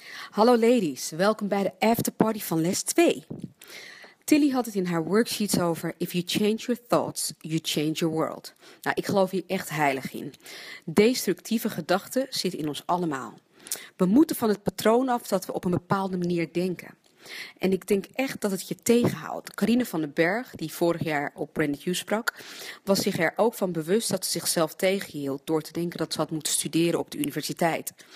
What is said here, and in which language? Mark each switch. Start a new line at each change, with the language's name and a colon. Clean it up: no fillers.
Dutch: Hallo ladies, welkom bij de afterparty van les 2. Tilly had het in haar worksheets over
English: if you change your thoughts, you change your world.
Dutch: Nou, ik geloof hier echt heilig in. Destructieve gedachten zitten in ons allemaal. We moeten van het patroon af dat we op een bepaalde manier denken. En ik denk echt dat het je tegenhoudt. Carine van den Berg, die vorig jaar op Branded You sprak, was zich er ook van bewust dat ze zichzelf tegenhield door te denken dat ze had moeten studeren op de universiteit.